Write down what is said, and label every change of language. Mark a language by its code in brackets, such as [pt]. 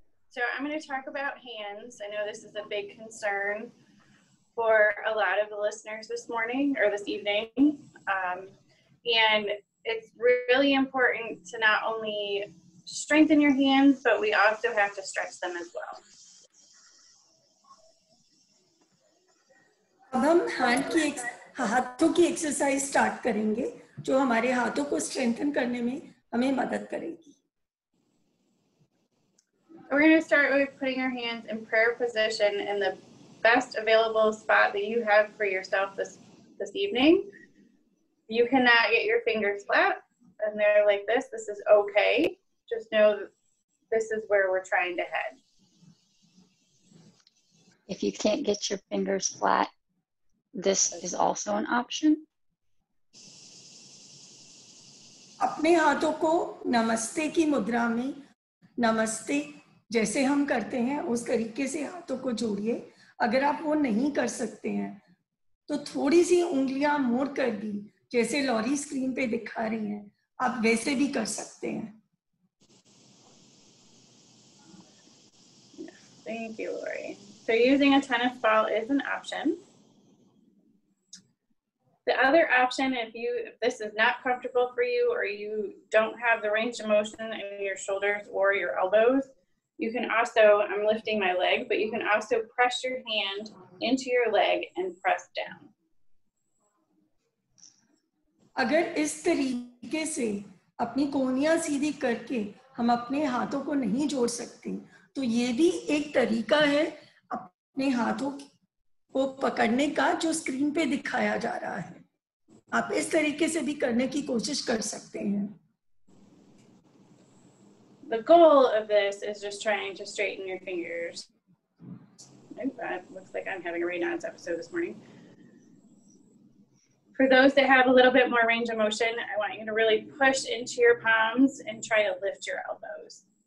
[en] So I'm going to talk about hands. I know this is a big concern for a lot of the listeners this morning or this evening. And it's really important to not only strengthen your hands, but we also have to stretch them as well. [hi] अब हम hand की हाथों की exercise start करेंगे जो हमारे हाथों को स्ट्रेंथन करने में हमें मदद करेगी. [en] We're going to start with putting our hands in prayer position in the best available spot that you have for yourself this evening. You cannot get your fingers flat and they're like this. This is okay. Just know that this is where we're trying to head. If you can't get your fingers flat, this is also an option. [hi] अपने हाथों को नमस्ते की मुद्रा में, नमस्ते जैसे हम करते हैं उस तरीके से हाथों को जोड़िए. अगर आप वो नहीं कर सकते हैं तो थोड़ी सी उंगलियां मोड़ कर भी, जैसे लॉरी स्क्रीन पे दिखा रही हैं, आप वैसे भी कर सकते हैं. [en] Thank you, Lori. So using a tennis ball is an option. The other option, if this is not comfortable for you or you don't have the range of motion in your shoulders or your elbows, you can also, I'm lifting my leg, but you can also press your hand into your leg and press down. [hi] अगर इस तरीके से अपनी कोहनियां सीधी करके हम अपने हाथों को नहीं जोड़ सकते, तो ये भी एक तरीका है अपने हाथों को पकड़ने का जो स्क्रीन पे दिखाया जा रहा है. आप इस तरीके से भी करने की कोशिश कर सकते हैं. [en] The goal of this is just trying to straighten your fingers. It looks like I'm having a Raynaud's episode this morning. For those that have a little bit more range of motion, I want you to really push into your palms and try to lift your elbows.